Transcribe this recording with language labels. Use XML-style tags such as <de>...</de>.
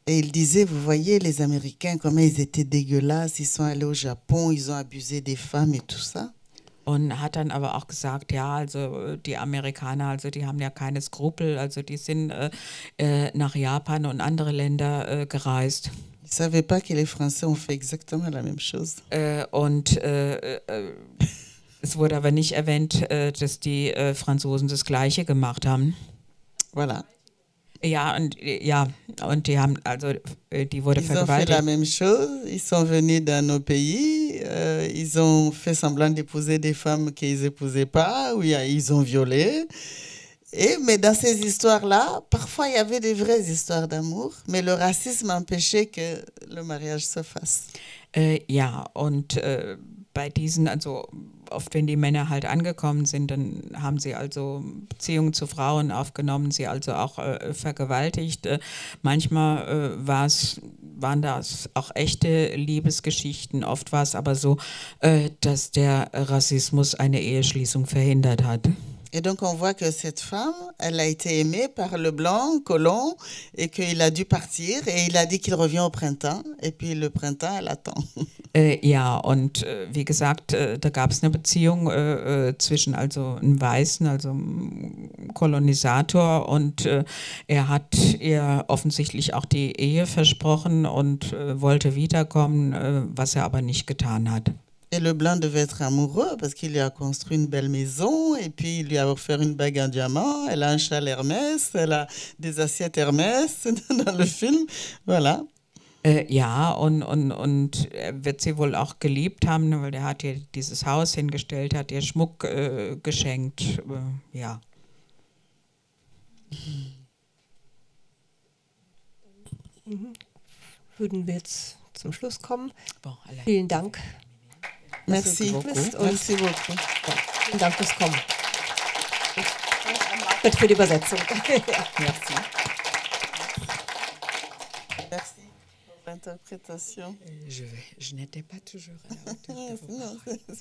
<fr>Et il disait, vous voyez les Américains comment ils étaient dégueulasses, ils sont allés au Japon, ils ont abusé des femmes et tout ça.</fr> <de>Und hat dann aber auch gesagt, ja, also die Amerikaner, also die haben ja keine Skrupel, also die sind nach Japan und andere Länder gereist.</de> <fr>Ich savais pas que les Français ont fait exactement la même chose.</fr> <de>Und es wurde aber nicht erwähnt, dass die Franzosen das Gleiche gemacht haben.</de> <fr>Voilà.</fr> <de>Ja, und die haben, also die wurde vergewaltigt.</de> <fr>Ils ont fait la même chose, ils sont venus dans nos pays, ils ont fait semblant d'épouser des femmes qu'ils épousaient pas, oui, ils ont violé. Et, mais dans ces histoires-là, parfois il y avait des vraies histoires d'amour, mais le racisme empêchait que le mariage se fasse.</fr> <de>Ja, und bei diesen, also oft wenn die Männer halt angekommen sind, dann haben sie also Beziehungen zu Frauen aufgenommen, sie also auch vergewaltigt. Manchmal waren das auch echte Liebesgeschichten, oft war es aber so, dass der Rassismus eine Eheschließung verhindert hat.</de> <fr>Et donc on voit que cette femme, elle a été aimée par le blanc, colon, et qu'il a dû partir, et il a dit qu'il revient au printemps, et puis le printemps, elle attend.</fr> <de>Ja, und wie gesagt, da gab es eine Beziehung zwischen also einem Weißen, also einem Kolonisator, und er hat ihr offensichtlich auch die Ehe versprochen und wollte wiederkommen, was er aber nicht getan hat.</de> <fr>Et le blanc devait être amoureux parce qu'il lui a construit une belle maison et puis il lui a offert une bague en diamant. Elle a un châle Hermès, elle a des assiettes Hermès dans le film. Voilà.</fr> <de>Ja, und er wird sie wohl auch geliebt haben, weil er hat ihr dieses Haus hingestellt, hat ihr Schmuck geschenkt. Ja. Würden wir jetzt zum Schluss kommen. Vielen Dank.</de> <fr>Merci. Merci beaucoup.</fr> <de>Vielen Dank fürs Kommen. Ich danke für die Übersetzung.</de> <fr>Merci. Merci pour l'interprétation. Je n'étais pas toujours à la hauteur de vos paroles.</fr>